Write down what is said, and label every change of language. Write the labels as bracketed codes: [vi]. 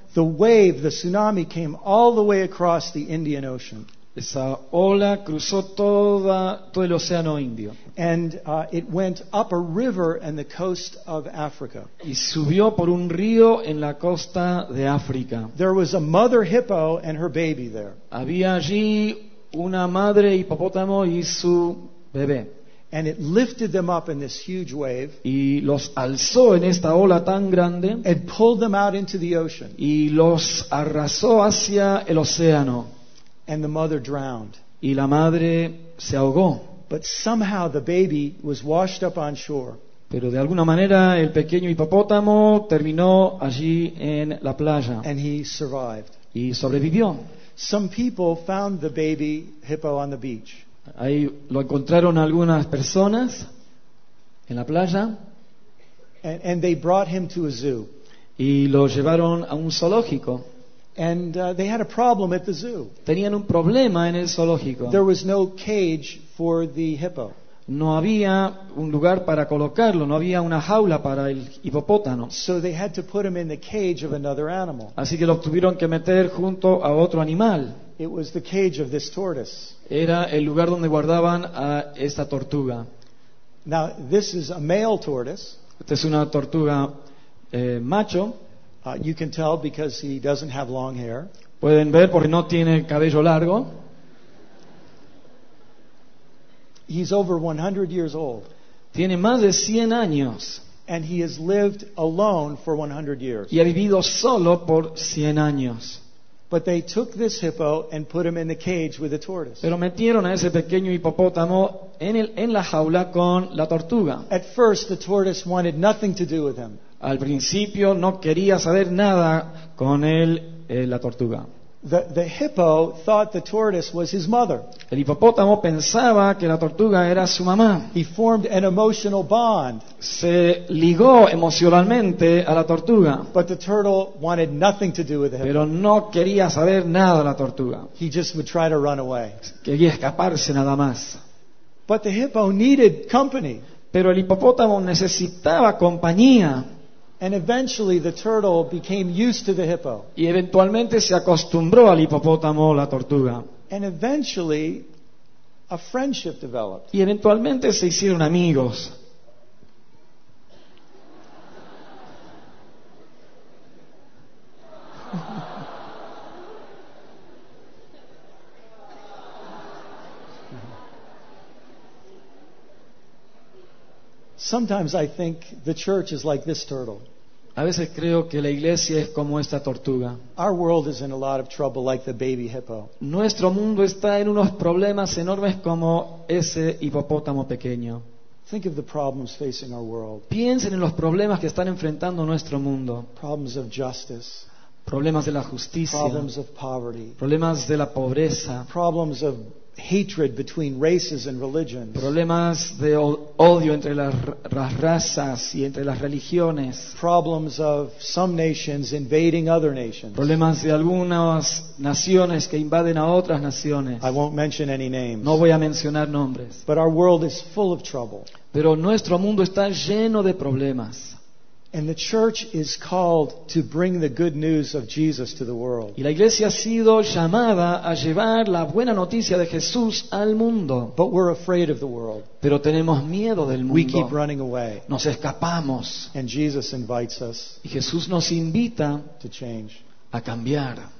[en] The wave, the tsunami came all the way across the Indian Ocean. [es] Esa ola cruzó todo el océano Indio. [en] And it went up a river in the coast of Africa. [es] Y subió por un río en la costa de África. [en] There was a mother hippo and her baby there. [es] Había allí una madre hipopótamo y su bebé. [en] And it lifted them up in this huge wave. [es] Y los alzó en esta ola tan grande. [en] And pulled them out into the ocean. [es] Y los arrasó hacia el océano. [en] And the mother drowned. [es] Y la madre se ahogó. [en] But somehow the baby was washed up on shore. [es] Pero de alguna manera el pequeño hipopótamo terminó allí en la playa. [en] And he survived. [es] Y sobrevivió. [en] Some people found the baby hippo on the beach. [es] Ahí lo encontraron algunas personas en la playa. [en] And they brought him to a zoo. [es] Y lo llevaron a un zoológico. [en] And they had a problem at the zoo. [es] Tenían un problema en el zoológico. [en] There was no cage for the hippo. [es] No había un lugar para colocarlo, no había una jaula para el hipopótamo. [en] So they had to put him in the cage of another animal. [es] Así que lo tuvieron que meter junto a otro animal. [en] It was the cage of this tortoise. [es] Era el lugar donde guardaban a esta tortuga. [en] Now this is a male tortoise. [es] Esta es una tortuga macho. [en] You can tell because he doesn't have long hair. [es] Pueden ver porque no tiene cabello largo. [en] He's over 100 years old. [es] Tiene más de 100 años. [en] And he has lived alone for 100 years. [es] Y ha vivido solo por 100 años. [en] But they took this hippo and put him in the cage with the tortoise. [es] Pero metieron a ese pequeño hipopótamo en la jaula con la tortuga. [en] At first, the tortoise wanted nothing to do with him. [es] Al principio no quería saber nada con él, la tortuga. [en] The hippo thought the tortoise was his mother. [es] El hipopótamo pensaba que la tortuga era su mamá. [en] He formed an emotional bond. [es] Se ligó emocionalmente a la tortuga. [en] But the turtle wanted nothing to do with the hippo. [es] Pero no quería saber nada de la tortuga. [en] He just would try to run away. [es] Quería escaparse nada más. [en] But the hippo needed company. [es] Pero el hipopótamo necesitaba compañía. [en] And eventually the turtle became used to the hippo. [es] Y eventualmente se acostumbró al hipopótamo, la tortuga. [en] And eventually a friendship developed. [es] Y eventualmente se hicieron amigos. [en] Sometimes I think the church is like this turtle. [es] A veces creo que la iglesia es como esta tortuga. [en] Our world is in a lot of trouble like the baby hippo. [es] Nuestro mundo está en unos problemas enormes como ese hipopótamo pequeño. [en] Think of the problems facing our world. [es] Piensen en los problemas que están enfrentando nuestro mundo. [en] Problems of justice. [es] Problemas de la justicia. [en] Problems of poverty. [es] Problemas de la pobreza. [en] Problems of hatred between races and religions. [es] Problemas de odio entre las razas y entre las religiones. [en] Problems of some nations invading other nations. [es] Problemas de algunas naciones que invaden a otras naciones. [en] I won't mention any names. [es] No voy a mencionar nombres. [en] But our world is full of trouble. [es] Pero nuestro mundo está lleno de problemas. [en] And the church is called to bring the good news of Jesus to the world. [es] Y la iglesia ha sido llamada a llevar la buena noticia de Jesús al mundo. [en] But we're afraid of the world. [es] Pero tenemos miedo del mundo. [en] We keep running away. [es] Nos escapamos. [en] And Jesus invites us. [es] Y Jesús nos invita [en] to change. [es] A cambiar.